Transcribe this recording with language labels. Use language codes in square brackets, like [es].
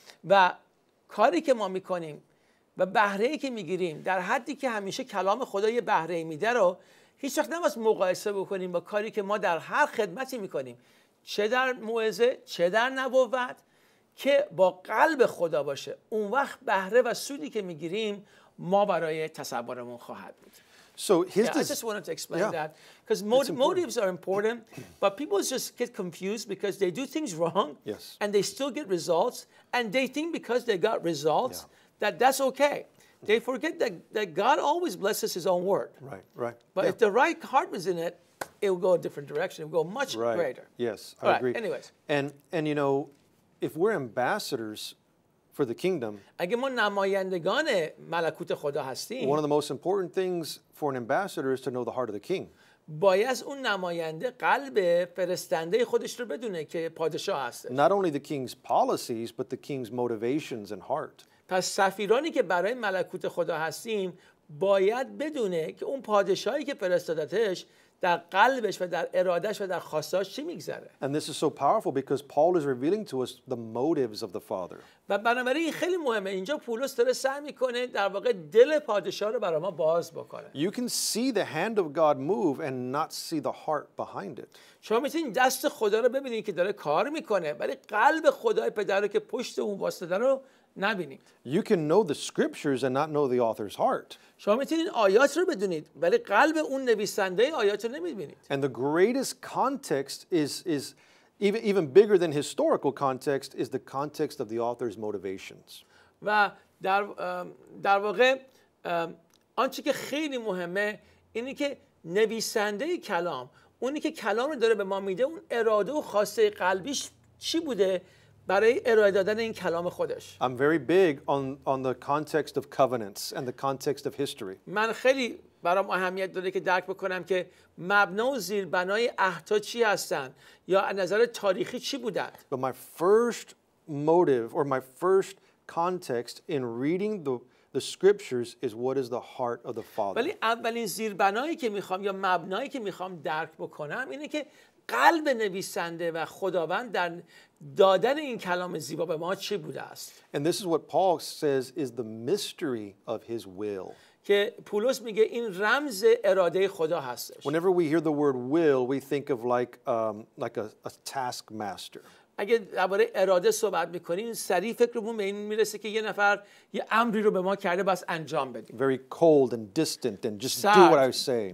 [fa] و کاری که ما میکنیم و بهره‌ای که می‌گیریم در حدی که همیشه کلام خدا یه بهره‌ای میده رو هیچ وقت نباید مقایسه بکنیم با کاری که ما در هر خدمتی می‌کنیم چه در موعظه چه در نبوت که با قلب خدا باشه اون وقت بهره و سودی که می‌گیریم ما برای تصورمون خواهد بود. [en] So his I just wanted to explain that cuz motives are important but people just get confused because they do things wrong and they still get results and they think because they got results that's okay. They forget that God always blesses his own word. Right. But if the right heart was in it, it will go a different direction. It will go much greater. Yes, I agree. Anyways. And you know, if we're ambassadors for the kingdom, [fa] اگه ما نمایندگان ملکوت خدا هستیم, [en] one of the most important things for an ambassador is to know the heart of the king. [fa] باید اون نماینده قلب فرستنده خودش رو بدونه که پادشاه هست. [en] Not only the king's policies, but the king's motivations and heart. [fa] پس سفیرانی که برای ملکوت خدا هستیم باید بدونه که اون پادشاهی که فرستادتش در قلبش و در ارادهش و در خواستهاش چی میگذره. [en] And this is so powerful because Paul is revealing to us the motives of the Father. [fa] و بنابراین خیلی مهمه. اینجا پولس داره سعی میکنه در واقع دل پادشاه رو برای ما باز بکنه. [en] You can see the hand of God move and not see the heart behind it. [fa] شما میتونید دست خدا رو ببینید که داره کار میکنه ولی قلب خدای پدر رو که پشت اون واسطه رو نبینید. [en] You can know the scriptures and not know the author's heart. [fa] شما میتونید آیات رو بدونید ولی قلب اون نویسنده آیات رو نمیبینید. [en] And the greatest context is even bigger than historical context is the context of the author's motivations. [fa] و در واقع آنچه که خیلی مهمه اینه که نویسنده کلام اونی که کلام رو داره به ما میده اون اراده و خواسته قلبیش چی بوده برای ارائه دادن این کلام خودش. [en] I'm very big on the context of covenants and the context of history. [fa] من خیلی برام اهمیت داره که درک بکنم که مبنا و زیربنای عهد چی هستن یا از نظر تاریخی چی بودند. [en] But my first motive or my first context in reading the scriptures is what is the heart of the Father. [fa] ولی اولین زیربنایی که میخوام یا مبنایی که میخوام درک بکنم اینه که قلب نویسنده و خداوند در دادن این کلام زیبا به ما چی بوده است. [en] And this is what Paul says is the mystery of his will. [fa] که پولس میگه این رمز اراده خدا هستش. [en] Whenever we hear the word will, we think of like a taskmaster. [fa] اگه درباره اراده صحبت میکنین سریع فکرمون به این میرسه که یه نفر یه امری رو به ما کرده بس انجام بدیم. [en] Very cold and distant and just do what I say.